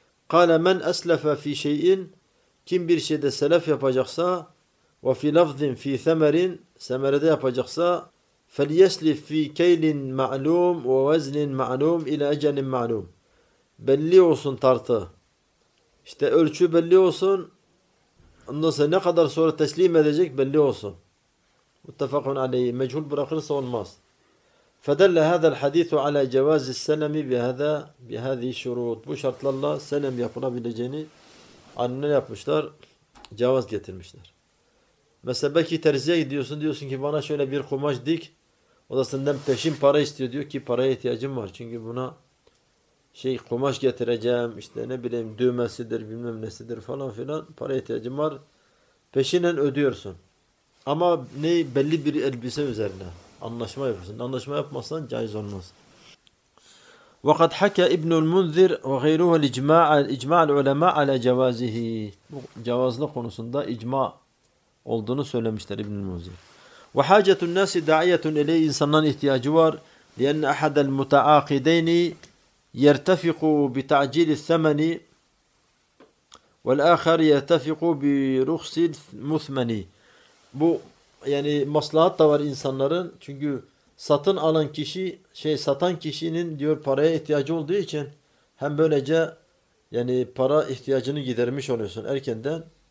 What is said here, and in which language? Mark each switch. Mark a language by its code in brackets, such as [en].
[ar] قال من أسلف في شيء [tr] kim bir şeyde selef yapacaksa [ar] وفي لفظ في ثمر [tr] semerede yapacaksa [ar] فليسلف في كيل معلوم ووزن معلوم إلى أجل معلوم [tr] belli olsun tartı. İşte ölçü belli olsun. Ondan sonra ne kadar sonra teslim edecek belli olsun. Muttefakun aleyhi. Mechul bırakırsa olmaz. Fedelle hadel hadithu ala cevazi senemi bihazi şurut. Bu şartlarla senem yapılabileceğini anne yapmışlar. Cevaz getirmişler. Mesela belki terziye gidiyorsun. Diyorsun ki bana şöyle bir kumaş dik. O da senden peşin para istiyor. Diyor ki paraya ihtiyacım var. Çünkü buna şey kumaş getireceğim işte ne bileyim düğmesidir bilmem nesidir falan filan para ihtiyacım var. Peşinen ödüyorsun. Ama ne belli bir elbise üzerine anlaşma yapıyorsun. Anlaşma yapmazsan caiz olmaz. [ar] وَقَدْ حَكَى اِبْنُ الْمُنْذِرِ وَغَيْرُهُ الْاِجْمَعَ الْعُلَمَا عَلَى جَوَازِهِ [tr] cevazlı konusunda icma olduğunu söylemişler İbn-i Munzir. [ar] وَحَاجَةُ النَّاسِ دَعِيَةٌ اِلَيْهِ [tr] insanların ihtiyacı var. [ar] لِيَنَّ اَحَدَ الْمُتَعَاقِدَيْنِ يرتفق بتعجيل الثمن والآخر يرتفق برخص مثمن [tr] bu yani maslahat da var insanların çünkü satın alan kişi şey satan kişinin diyor paraya ihtiyacı olduğu için hem böylece yani para ihtiyacını gidermiş oluyorsun erkenden